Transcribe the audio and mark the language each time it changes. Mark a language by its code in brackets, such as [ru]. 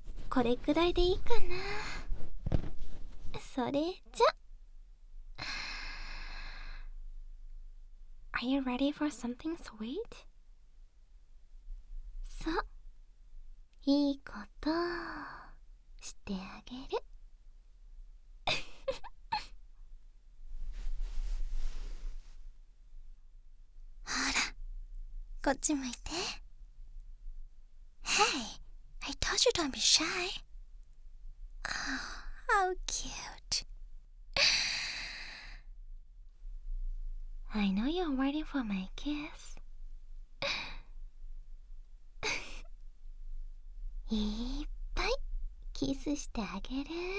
[ja] これくらいでいいかな。それじゃ。 [en] Are you ready for something sweet? [ja] そう。いいことしてあげる。ほら、こっち向いて。 [en] Hey! You don't be shy. Oh, how cute. I know you're waiting for my kiss. [ja] いっぱいキスしてあげる。